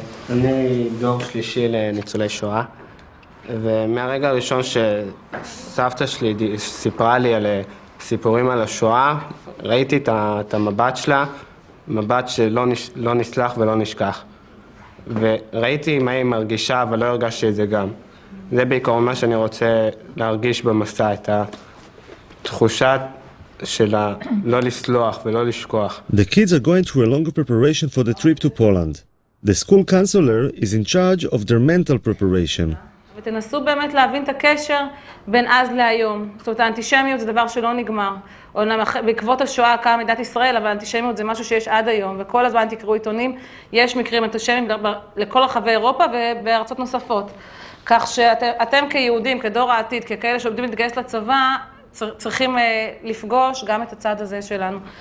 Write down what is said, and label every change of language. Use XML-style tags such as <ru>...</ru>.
<he>אני דור שלישי לניצולי שואה. ומהרגע הראשון שסבתא שלי סיפרה לי על סיפורים על השואה, ראיתי את המבט שלה. מבט שלא לא נסלח ולא נשכח. וראיתי מה היא מרגישה, אבל לא הרגשתי את זה גם. זה בעיקרון מה שאני רוצה להרגיש במסע, את התחושה של לא לסלוח ולא לשכוח.</he> <en>The kids are going through a longer preparation for the trip to Poland. The school counselor is in charge of their mental preparation.</en> <he>ותנסו באמת להבין את הקשר בין אז להיום. זאת אומרת, האנטישמיות זה דבר שלא נגמר. אומנם בעקבות השואה קמה מדינת ישראל, אבל האנטישמיות זה משהו שיש עד היום. וכל הזמן תקראו עיתונים, יש מקרים אנטישמיים לכל רחבי אירופה ובארצות נוספות. כך שאתם כיהודים, כדור העתיד, ככאלה שעובדים להתגייס לצבא, צריכים לפגוש גם את הצד הזה שלנו.</he>